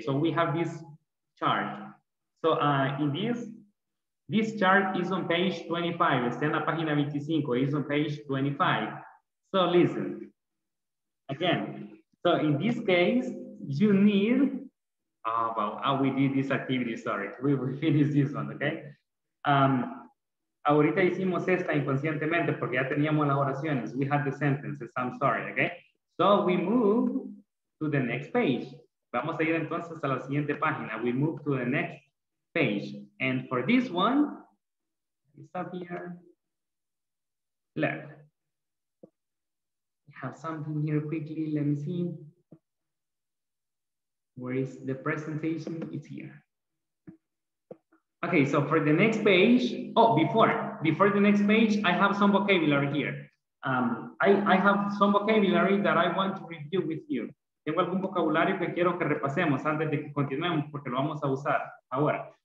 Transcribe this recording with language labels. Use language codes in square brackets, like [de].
[en] So we have this chart. So in this chart is on page 25. [es] Está en la página 25, [en] is on page 25. So listen, again. So in this case, you need, we did this activity, sorry. We finished this one, okay? [es] Ahorita hicimos esta inconscientemente porque ya teníamos las oraciones. [en] We had the sentences, I'm sorry, okay? So we move to the next page. [es] Vamos a ir entonces a la siguiente página. [en] We move to the next page. And for this one, it's up here. Look. We have something here quickly, let me see. Where is the presentation? It's here. Okay, so for the next page, oh, before the next page, I have some vocabulary here. I have some vocabulary that I want to review with you. [es] Tengo algún vocabulario que quiero que repasemos antes de que continuemos porque lo vamos a usar ahora.